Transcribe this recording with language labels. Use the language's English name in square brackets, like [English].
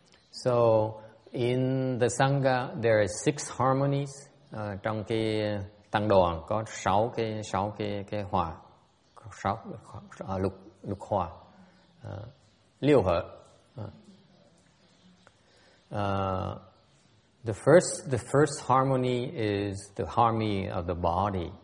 [English] So in the Sangha there are six harmonies. [Vietnamese] Trong cái tăng đoàn có sáu cái hòa, sáu lục hòa, liêu hợp. [English] The first harmony is the harmony of the body.